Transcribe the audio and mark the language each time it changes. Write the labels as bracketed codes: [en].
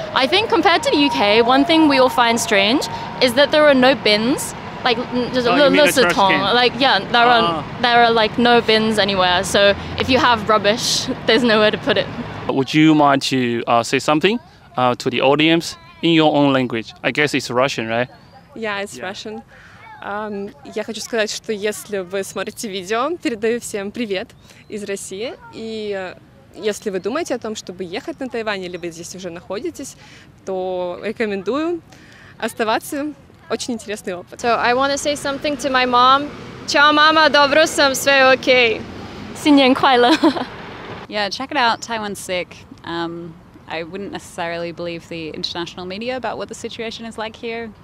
[en] I think compared to the UK, one thing we all find strange is that there are no bins. Like, there are like no bins anywhere. So if you have rubbish, there's nowhere to put it. Would you mind to say something to the audience in your own language? I guess it's Russian, right? Yeah, it's Russian. [ru] Я хочу сказать, что если вы смотрите видео, передаю всем привет из России. И если вы думаете о том, чтобы ехать на Тайвань, или вы здесь уже находитесь, то рекомендую оставаться. Очень интересный опыт. [en] So I want to say something to my mom. [sr] Чао, мама, добро сам, все окей. [zh] 新年快乐. [en] Yeah, check it out. Taiwan's sick. I wouldn't necessarily believe the international media about what the situation is like here.